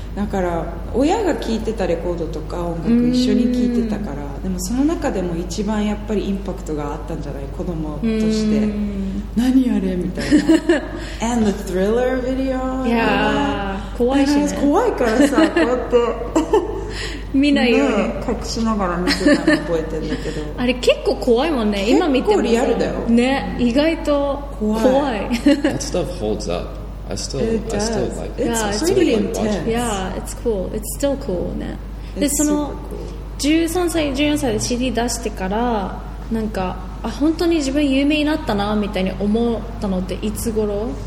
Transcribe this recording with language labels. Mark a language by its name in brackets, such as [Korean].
[Japanese] だから親が聴いてたレコードとか音楽一緒に聴いてたから、でもその中でも一番やっぱりインパクトがあったんじゃない、子供として何あれみたいな。 [English] And the Thriller video、 [Japanese] yeah. 怖いしね、怖いからさ、こうやって見ないように、ね、隠しながら見てたの覚えてんだけど、あれ結構怖いもんね、今見ても。結構リアルだよね、意外と怖い。 [English] That stuff holds upI still like it. It's pretty intense. Yeah, it's cool. It's still cool. [Japanese] ね、でその13歳14歳で CD 出してから、なんか、あ、本当に自分有名になったなみたいに思ったのっていつ頃？